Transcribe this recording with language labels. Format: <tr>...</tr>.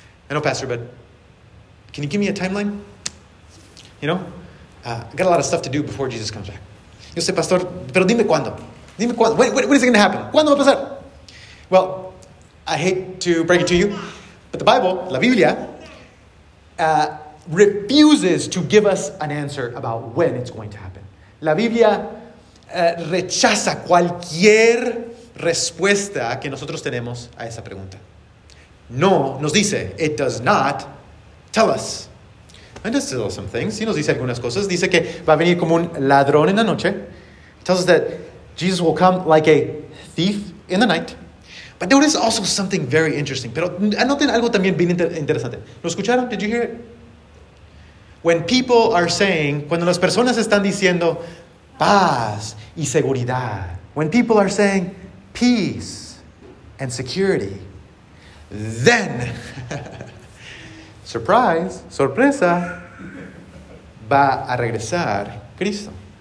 <en>I know, Pastor, but can you give me a timeline? You know, I got a lot of stuff to do before Jesus comes back.</en> <es>Yo sé, Pastor, pero dime cuándo. Dime cuándo.</es> <en>When is it going to happen?</en> <es>¿Cuándo va a pasar?</es> <en>Well, I hate to break it to you, but the Bible,</en> <es>la Biblia,</es> <en>refuses to give us an answer about when it's going to happen.</en> <es>La Biblia rechaza cualquier respuesta que nosotros tenemos a esa pregunta. No nos dice,</es> <en>it does not tell us. It does tell us some things.</en> <es>Sí nos dice algunas cosas. Dice que va a venir como un ladrón en la noche.</es> <en>It tells us that Jesus will come like a thief in the night. But there is also something very interesting.</en> <es>Pero anoten algo también bien interesante. ¿Lo escucharon?</es> <en>Did you hear it? When people are saying,</en> <es>cuando las personas están diciendo paz y seguridad,</es> <en>when people are saying peace and security, then, surprise,</en> <es>sorpresa, va a regresar Cristo.</es>